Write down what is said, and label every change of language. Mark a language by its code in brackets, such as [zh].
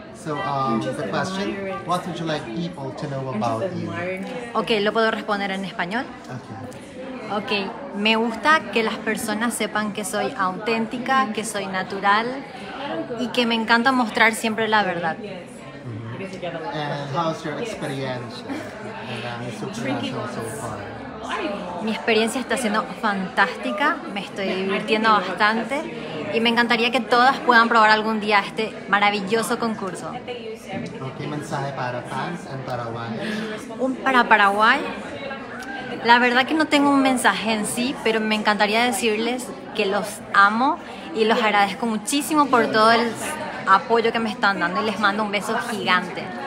[en] So the question, what would you like people to know about you? [es] Okay, ¿lo puedo responder en español? [en] Okay. [es] Me gusta que las personas sepan que soy auténtica, que soy natural, y que me encanta mostrar siempre la verdad. [en] And how's your experience in the Supranational so far? [es] Mi experiencia está siendo fantástica, me estoy divirtiendo bastante y me encantaría que todas puedan probar algún día este maravilloso concurso. ¿Qué mensaje para fans en Paraguay? Para Paraguay, la verdad que no tengo un mensaje en sí, pero me encantaría decirles que los amo y los agradezco muchísimo por todo el apoyo que me están dando y les mando un beso gigante.